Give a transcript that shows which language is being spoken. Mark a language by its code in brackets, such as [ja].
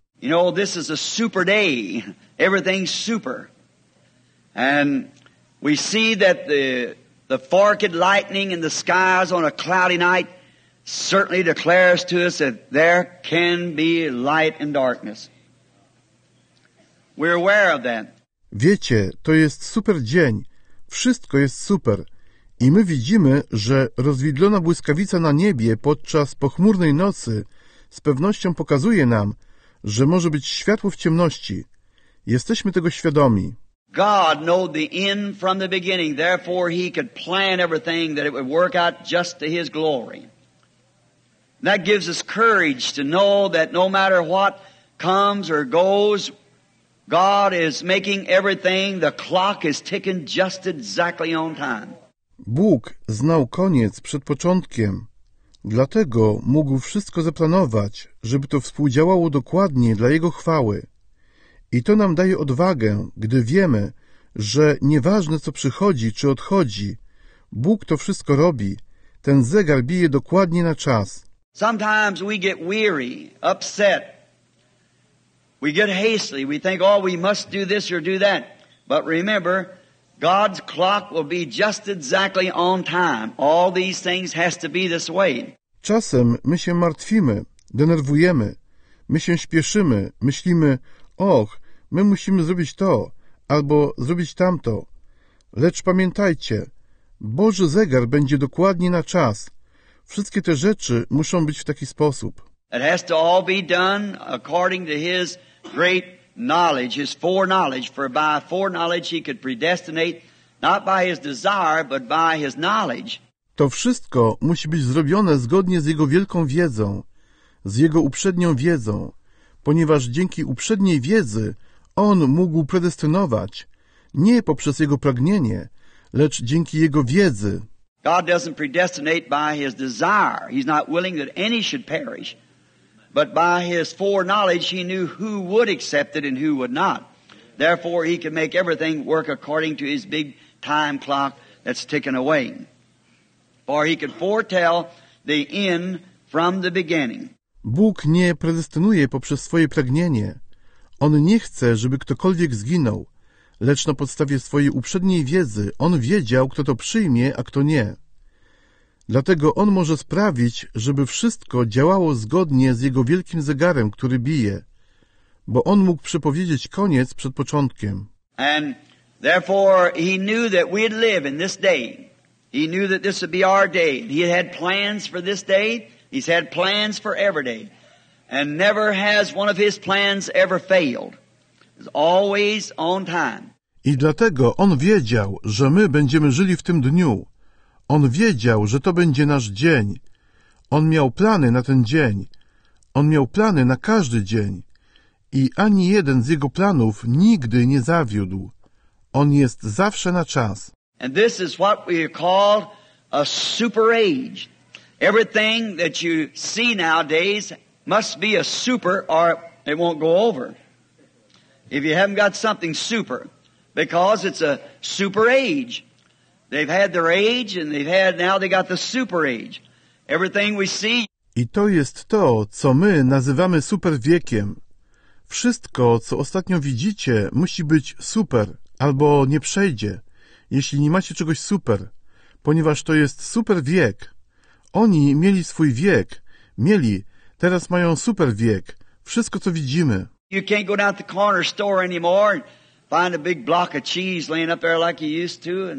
[en] You know, this is a super day. Everything's super. And we see that the forked lightning in the skies on a cloudy night certainly declares to us that there can be light and darkness. We're aware of that. [pl] Wiecie, to jest super dzień. Wszystko jest super. I my widzimy, że rozwidlona błyskawica na niebie podczas pochmurnej nocy z pewnością pokazuje nam, że może być światło w ciemności. Jesteśmy tego świadomi. [en] God knew the end from the beginning, therefore he could plan everything that it would work out just to his glory. That gives us courage to know that no matter what comes or goes, God is making everything, the clock is ticking just exactly on time. [pl] Bóg znał koniec przed początkiem, dlatego mógł wszystko zaplanować, żeby to współdziałało dokładnie dla Jego chwały. I to nam daje odwagę, gdy wiemy, że nieważne co przychodzi czy odchodzi, Bóg to wszystko robi, ten zegar bije dokładnie na czas. [en] Sometimes we get weary, upset. We get hastily. We think, oh, we must do this or do that. But remember, God's clock will be just exactly on time. All these things has to be this way. [pl] Czasem my się martwimy, denerwujemy. My się śpieszymy, myślimy, och, my musimy zrobić to, albo zrobić tamto. Lecz pamiętajcie, Boży zegar będzie dokładnie na czas. Wszystkie te rzeczy muszą być w taki sposób. [en] It has to all be done according to his great knowledge, his foreknowledge, for by foreknowledge he could predestinate, not by his desire, but by his knowledge. [pl] To wszystko musi być zrobione zgodnie z jego wielką wiedzą, z jego uprzednią wiedzą, ponieważ dzięki uprzedniej wiedzy on mógł predestynować, nie poprzez jego pragnienie, lecz dzięki Jego wiedzy. [en] God doesn't predestinate by His desire. He's not willing that any should perish. But by His foreknowledge, He knew who would accept it and who would not. Therefore, He could make everything work according to His big time clock that's ticking away. For He could foretell the end from the beginning. [pl] Bóg nie predestynuje poprzez swoje pragnienie. On nie chce, żeby ktokolwiek zginął. Lecz na podstawie swojej uprzedniej wiedzy On wiedział, kto to przyjmie, a kto nie. Dlatego On może sprawić, żeby wszystko działało zgodnie z Jego wielkim zegarem, który bije, bo On mógł przepowiedzieć koniec przed początkiem. [en] And therefore He knew that we'd live in this day. He knew that this would be our day. He had plans for this day. He's had plans for every day. And never has one of His plans ever failed. Always on time. [pl] I dlatego On wiedział, że my będziemy żyli w tym dniu. On wiedział, że to będzie nasz dzień. On miał plany na ten dzień. On miał plany na każdy dzień. I ani jeden z Jego planów nigdy nie zawiódł. On jest zawsze na czas. [en] And this is what we call a super age. Everything that you see nowadays must be a super or it won't go over. If you haven't got something super, because it's a super age. They've had their age and they've had, now they got the super age. Everything we see. [pl] I to jest to, co my nazywamy super wiekiem. Wszystko, co ostatnio widzicie, musi być super, albo nie przejdzie, jeśli nie macie czegoś super, ponieważ to jest super wiek. Oni mieli swój wiek, mieli, teraz mają super wiek. Wszystko, co widzimy. [en] You can't go down to the corner store anymore and find a big block of cheese laying up there like you used to.